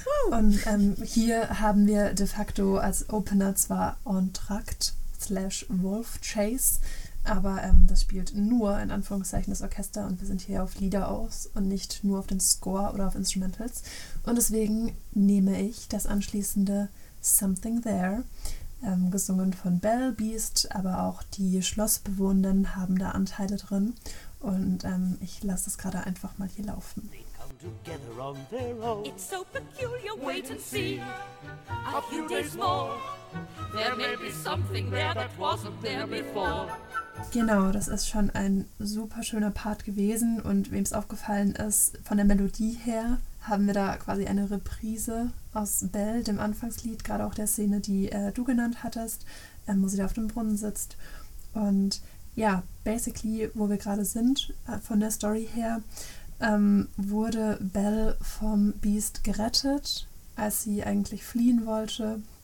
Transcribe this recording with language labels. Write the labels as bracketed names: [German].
[German] Und hier haben wir de facto als Opener zwar Entr'acte/Wolf Chase, aber das spielt nur in Anführungszeichen das Orchester und wir sind hier auf Lieder aus und nicht nur auf den Score oder auf Instrumentals. Und deswegen nehme ich das anschließende Something There, gesungen von Belle, Beast, aber auch die Schlossbewohnenden haben da Anteile drin. Und ich lasse das gerade einfach mal hier laufen. [English] It's so peculiar, wait and see. A few days more. There may be something there that wasn't there before. [German] Genau, das ist schon ein super schöner Part gewesen. Und wem es aufgefallen ist, von der Melodie her haben wir da quasi eine Reprise aus Belle, dem Anfangslied, gerade auch der Szene, die du genannt hattest, wo sie da auf dem Brunnen sitzt. Und ja, basically, wo wir gerade sind, von der Story her, wurde Belle vom Beast gerettet, als sie eigentlich fliehen wollte.